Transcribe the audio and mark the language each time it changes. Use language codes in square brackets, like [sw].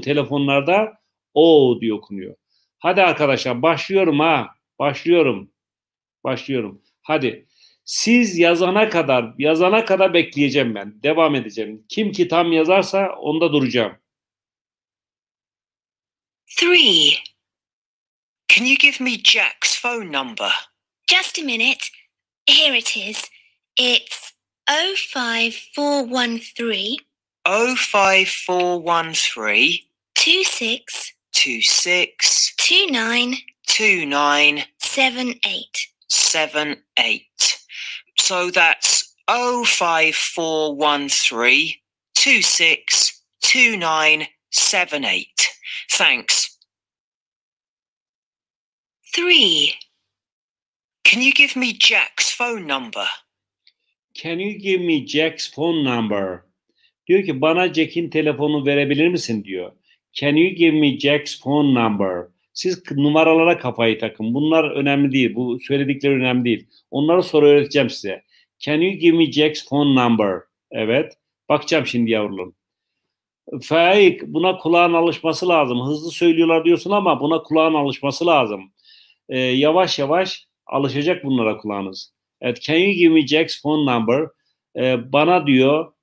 [tr] Telefonlarda O diye okunuyor. Hadi arkadaşlar başlıyorum ha. Başlıyorum. Başlıyorum. Hadi. Siz yazana kadar bekleyeceğim ben. Devam edeceğim. Kim ki tam yazarsa onda duracağım. 3. [en] Can you give me Jack's phone number? Just a minute. Here it is. It's 05413 26 29 78 78. So that's 05413 26 29 78. Thanks. [tr] 3. [en] Can you give me Jack's phone number? Can you give me Jack's phone number? [tr] Diyor ki bana Jack'in telefonu verebilir misin diyor. [en] Can you give me Jack's phone number? [tr] Siz numaralara kafayı takın. Bunlar önemli değil. Bu söyledikleri önemli değil. Onları sonra öğreteceğim size. [en] Can you give me Jack's phone number? [tr] Evet. Bakacağım şimdi yavrum. Faik, buna kulağın alışması lazım. Hızlı söylüyorlar diyorsun ama buna kulağın alışması lazım. Yavaş yavaş alışacak bunlara kulağınız. Evet, [en] can you give me Jack's phone number? [tr] Bana diyor